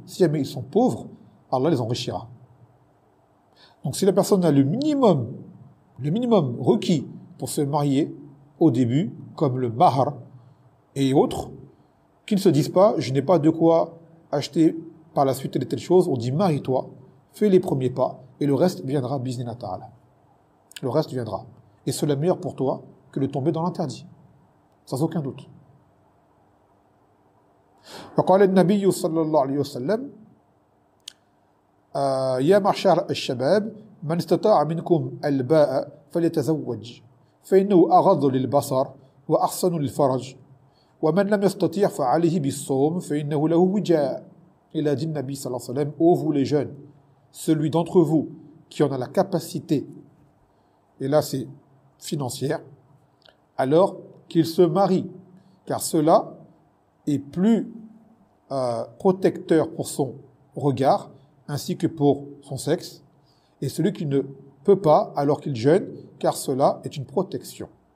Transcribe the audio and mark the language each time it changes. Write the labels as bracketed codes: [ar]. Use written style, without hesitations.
[fr] Si jamais ils sont pauvres, Allah les enrichira. Donc si la personne a le minimum requis pour se marier, au début, comme le mahr et autres, qu'ils ne se disent pas, je n'ai pas de quoi acheter par la suite telle et telle chose. On dit, marie-toi, fais les premiers pas, et le reste viendra, biznillah ta'ala. Le reste viendra. Et cela est meilleur pour toi que de tomber dans l'interdit. Sans aucun doute. [ar] وقال النبي صلى الله عليه وسلم يا معشر الشباب من استطاع منكم الباء فليتزوج فإنه أغض للبصر وأحسن للفرج ومن لم يستطيع فعليه بالصوم فإنه له وجاء. [fr] Il a dit le Nabi [ar] صلى الله عليه وسلم, [fr] ô vous les jeunes, celui d'entre vous qui en a la capacité, et là c'est financière, alors qu'il se marie, car cela est plus protecteur pour son regard ainsi que pour son sexe, et celui qui ne peut pas alors qu'il jeûne, car cela est une protection.